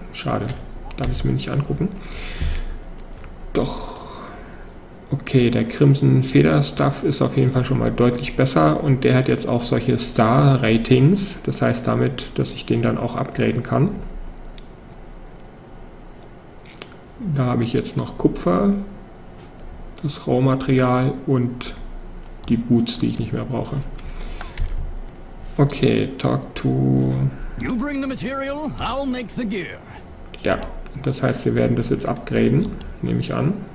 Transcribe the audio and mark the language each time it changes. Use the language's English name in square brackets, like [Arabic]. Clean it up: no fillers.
[German] Schade, darf ich es mir nicht angucken. Doch, okay, der Crimson Feder Stuff ist auf jeden Fall schon mal deutlich besser und der hat jetzt auch solche Star Ratings, das heißt damit, dass ich den dann auch upgraden kann. Da habe ich jetzt noch Kupfer, das Rohmaterial und die Boots, die ich nicht mehr brauche. [English] Okay, talk to... You bring the material, I'll make the gear. [German] Ja. Das heißt, wir werden das jetzt upgraden, nehme ich an.